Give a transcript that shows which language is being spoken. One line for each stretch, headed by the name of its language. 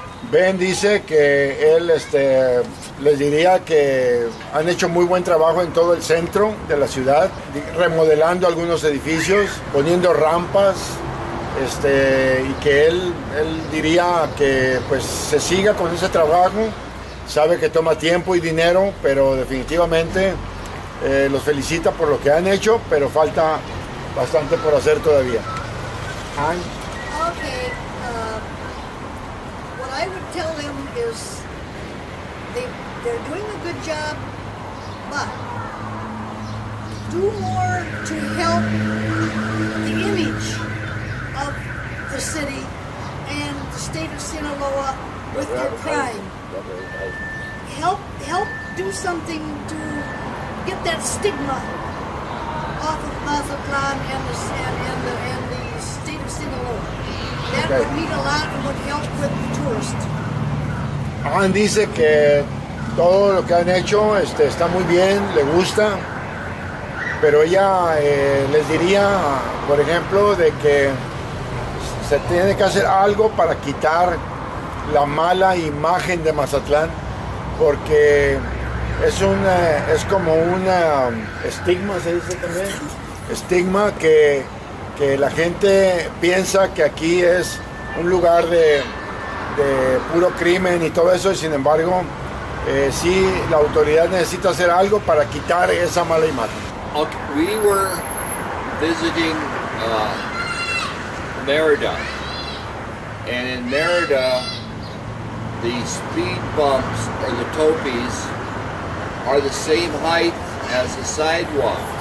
Spanish: Ben dice que él les diría que han hecho muy buen trabajo en todo el centro de la ciudad, remodelando algunos edificios, poniendo rampas, y que él diría que pues se siga con ese trabajo. Sabe que toma tiempo y dinero, pero definitivamente los felicita por lo que han hecho, pero falta bastante por hacer todavía.
English: Okay, what I would tell them is they're doing a good job but do more to help the image of the city and the state of Sinaloa with their crime. Help do something to get that stigma off of Mazatlan and the state of Sinaloa. That okay. would mean a lot and would help with the tourists.
Spanish: Juan dice que todo lo que han hecho está muy bien, le gusta, pero ella les diría, por ejemplo, de que se tiene que hacer algo para quitar la mala imagen de Mazatlán, porque es como un estigma, se dice también, estigma que la gente piensa que aquí es un lugar de puro crimen y todo eso, y sin embargo, sí, la autoridad necesita hacer algo para quitar esa mala imagen.
English: Okay. We were visiting Merida, and in Merida, the speed bumps or the topis are the same height as the sidewalk.